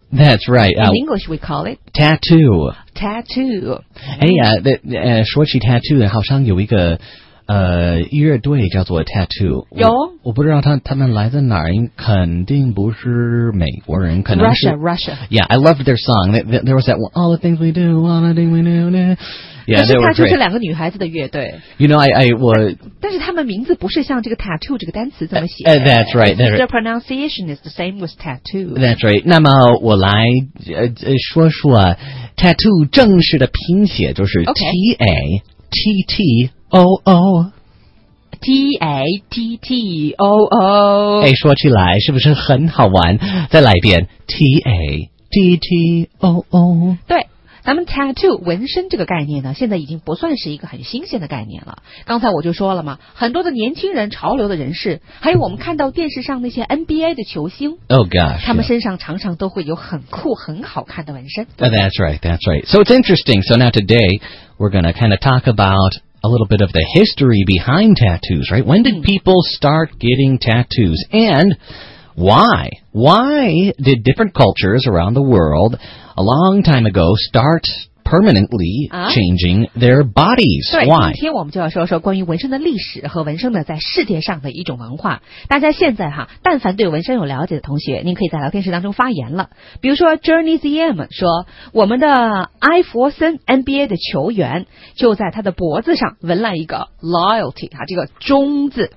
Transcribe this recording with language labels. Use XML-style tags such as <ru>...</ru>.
<en>That's right. In English, we call it tattoo. Tattoo.</en> <zh>说起 tattoo， 好像有一个乐队叫做 tattoo。有。我不知道他们来自哪儿，肯定不是美国人，可能是</zh> <en>Russia. Yeah, I loved their song. There was that one, all the things we do, all the things we do. Yeah, they were great.</en> <zh>可是他就是两个女孩子的乐队。</zh> <en>You know, I 我。</en> <zh>但是他们名字不是像这个 tattoo 这个单词怎么写。</zh> <en>That's right. That's right. The pronunciation is the same with tattoo. That's right.</en> <zh>那么我来说说 tattoo 正式的拼写，就是 T A T T。O-O</zh> <en>T-A-T-T-O-O</en> <zh>哎，说起来是不是很好玩，再来一遍 T-A-T-T-O-O 对，咱们 tattoo 纹身这个概念呢，现在已经不算是一个很新鲜的概念了。刚才我就说了嘛，很多的年轻人、潮流的人士，还有我们看到电视上那些 NBA 的球星</zh> <en>，Oh gosh，</en> <zh>他们身上常常都会有很酷、很好看的纹身。</zh> <en>That's right, that's right. So it's interesting. So now today we're going to kind of talk about a little bit of the history behind tattoos, right? When did people start getting tattoos, and why? Why did different cultures around the world a long time ago start permanently changing their bodies? Why?</en> <zh>今天我们就要说说关于纹身的历史和纹身的在世界上的一种文化。大家现在哈，但凡对纹身有了解的同学，您可以在聊天室当中发言了。比如说 Journey ZM 说，我们的艾弗森 NBA 的球员就在他的脖子上纹了一个 loyalty 啊，这个忠字。</zh>